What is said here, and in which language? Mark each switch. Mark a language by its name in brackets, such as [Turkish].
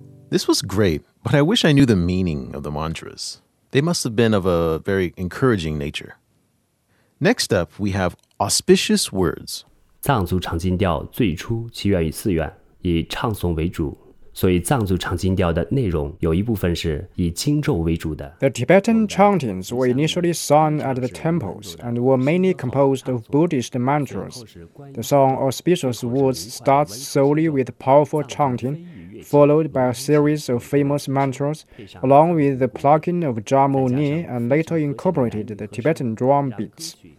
[English] This was great, but I wish I knew the meaning of the mantras. They must have been of a very encouraging nature. Next up, we have auspicious words. [Chinese] 藏族唱经调最初起源于寺院，以唱诵为主，所以藏族唱经调的内容有一部分是以经咒为主的。 [English] The Tibetan chantings were initially sung at the temples and were mainly composed of Buddhist mantras. The song Auspicious Words starts solely with powerful chanting, followed by a series of famous mantras, along with the plucking of Jamu Ni and later incorporated the Tibetan drum beats.